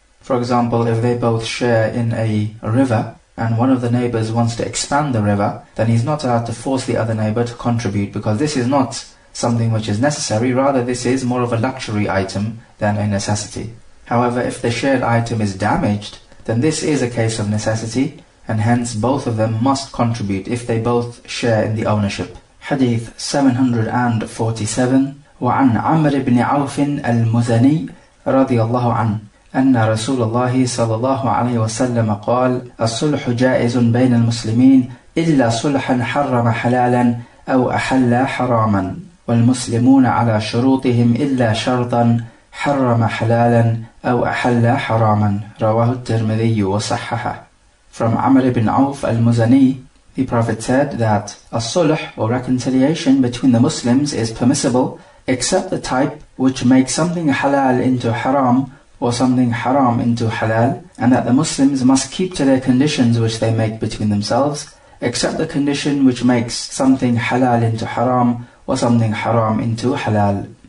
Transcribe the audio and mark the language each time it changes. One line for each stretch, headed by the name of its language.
English: For example, if they both share in a river, and one of the neighbors wants to expand the river, then he's not allowed to force the other neighbor to contribute, because this is not something which is necessary, rather this is more of a luxury item than a necessity. However, if the shared item is damaged, then this is a case of necessity, and hence both of them must contribute if they both share in the ownership. Hadith 747.
Arabic: وعن عمرو بن عوف المزني رضي الله عنه أن رسول الله صلى الله عليه وسلم قال الصلح جائز بين المسلمين إلا صلحا حرم حلالا أو أحل حراما والمسلمون على شروطهم إلا شرطا حرم حلالا أو أحل حراما رواه الترمذي وصححه.
English: From Amr ibn Auf al-Muzani, the Prophet said that الصلح or reconciliation between the Muslims is permissible except the type which makes something halal into haram or something haram into halal, and that the Muslims must keep to their conditions which they make between themselves, except the condition which makes something halal into haram or something haram into halal.